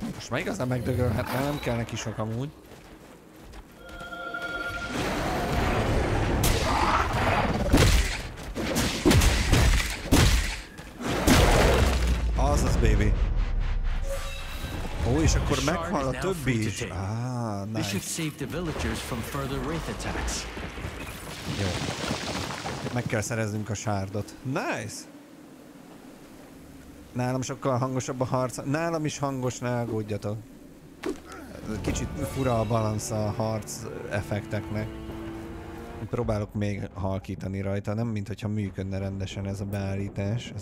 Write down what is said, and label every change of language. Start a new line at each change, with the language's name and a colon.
Hungarian: Már igazán megdögölhet, mert nem kell neki sok amúgy. Azaz, baby. Ó, és akkor meghal a többi is.
English: Nice. This should save the villagers from further wraith attacks.
Hungarian: Jó. Meg kell szereznünk a shardot. Nice! Nálam sokkal hangosabb a harc. Nálam is hangos, ne aggódjatok. Kicsit fura a balansz a harc effekteknek. Próbálok még halkítani rajta, nem mintha működne rendesen ez a beállítás.